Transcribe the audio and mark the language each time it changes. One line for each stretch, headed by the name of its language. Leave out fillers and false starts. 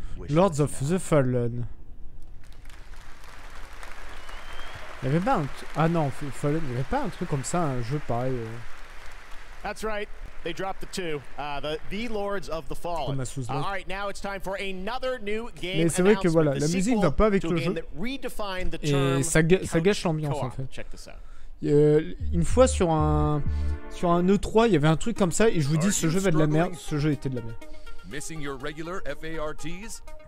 English: Lords of the Fallen.
French: Il y avait pas un Fallen, il y avait pas un truc comme ça, un jeu pareil.
English: That's right. They dropped the two, the Lords of the Fallen. All right, now it's time for another new game.
French: Mais c'est vrai que voilà, la musique va pas avec le jeu. Et ça gâche l'ambiance en fait.
English: Check this out.
French: Une fois sur un E3, il y avait un truc comme ça et je vous dis, ce jeu va de la merde. Ce jeu était de la merde.
English: Missing your regular FARTs?